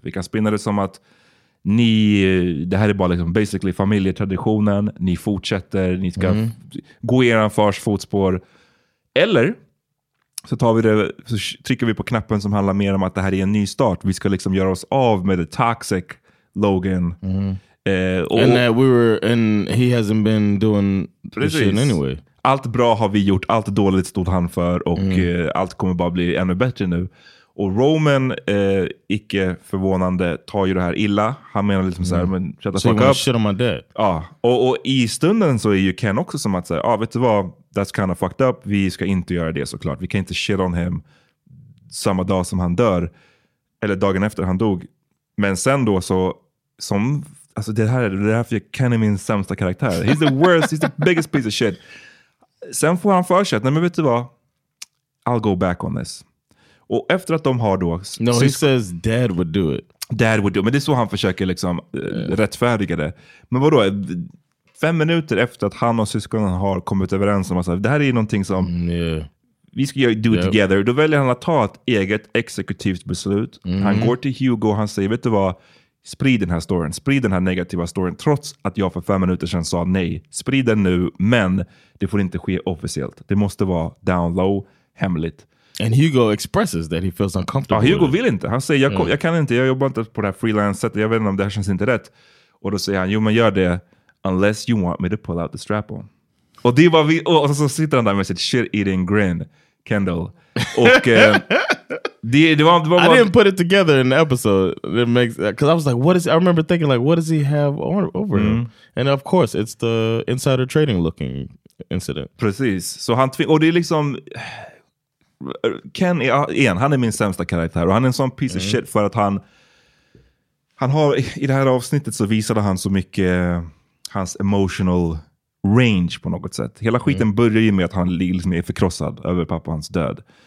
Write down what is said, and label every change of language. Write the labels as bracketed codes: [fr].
[sv] Vi kan spinna det som att ni, det här är bara liksom basically familjetraditionen, ni fortsätter, ni ska gå i er fars fotspår. Eller så tar vi det, så trycker vi på knappen som handlar mer om att det här är en ny start. Vi ska liksom göra oss av med det toxic Logan. [en] And that we were, and he hasn't been doing the shit anyway. [sv] allt bra har vi gjort, allt dåligt stod han för och allt kommer bara bli ännu bättre nu. Och Roman, icke förvånande, tar ju det här illa. Han menar liksom såhär, men [en] shut the fuck up. So you want to shit on my dad. [sv] Ja, och i stunden så är ju Ken också som att säga, ja, vet du vad, [en] that's kind of fucked up. [sv] Vi ska inte göra det såklart. Vi kan inte [en] shit on him [sv] samma dag som han dör. Eller dagen efter han dog. Men sen då så, som, alltså det här för Ken är min sämsta karaktär. [en] He's the worst, he's the biggest piece of shit. [sv] Sen får han för sig att, nej men vet du vad, [en] I'll go back on this. [sv] Och efter att de har då... [en] No, he says dad would do it. Dad would do it. [sv] Men det är så han försöker liksom rättfärdiga det. Men vadå? 5 minuter efter att han och syskonen har kommit överens om att det här är någonting som vi ska göra [en] do it together. [sv] Då väljer han att ta ett eget exekutivt beslut. Han går till Hugo och han säger, vet du vad? Sprid den här storyn. Sprid den här negativa storyn. Trots att jag för 5 minuter sedan sa nej. Sprid den nu, men det får inte ske officiellt. Det måste vara down low, hemligt. [en] And Hugo expresses that he feels uncomfortable. [sv] Ja, Hugo vill inte. Han säger, jag kan inte, jag jobbar inte på det här freelance-sättet. Jag vet inte om det här känns inte rätt. Och då säger han, jo men gör det. [en] Unless you want me to pull out the strap-on. [sv] Och det var vi, och så sitter han där med sitt [en] shit-eating grin, [sv] Kendall. Och det var [en] I didn't put it together in the episode. It makes, because I was like, what is, I remember thinking like, what does he have over him? And of course, it's the insider trading looking incident. [sv] Precis. Så han och det är liksom... Ken är, igen, han är min sämsta karaktär och han är en sån [en] piece of shit [sv] för att han har, i det här avsnittet så visade han så mycket hans [en] emotional range [sv] på något sätt. Hela skiten börjar ju med att han liksom är förkrossad över pappans död.